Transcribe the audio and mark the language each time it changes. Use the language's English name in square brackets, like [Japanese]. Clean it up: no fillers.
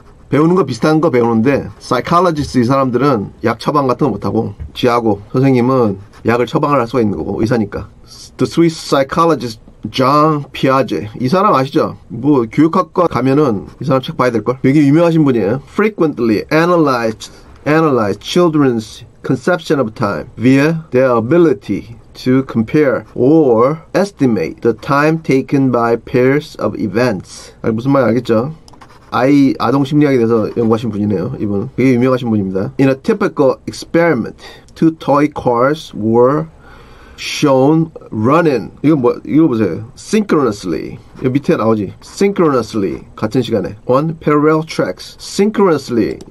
[Korean] 배우는 거 비슷한 거 배우는데 psychologist 이 사람들은 약 처방 같은 거 못하고 지하고 선생님은 약을 처방을 할 수가 있는 거고 의사니까. [English] The Swiss psychologist Jean Piaget. [Korean] 이 사람 아시죠? 뭐 교육학과 가면은 이 사람 책 봐야 될걸? 되게 유명하신 분이에요. [English] Frequently analyze children's conception of time via their ability to compare or estimate the time taken by pairs of events. [Korean] 아니, 무슨 말 알겠죠? 아동 심리학에 대해서 연구하신 분이네요. 이분은 되게 유명하신 분입니다. [English] In a typical experiment, two toy cars were shown running. [Korean] 이거 뭐 이거 보세요. Synchronously. 이 밑에 나오지. [English] Synchronously. [Korean] 같은 시간에. [English] On parallel tracks. Synchronously.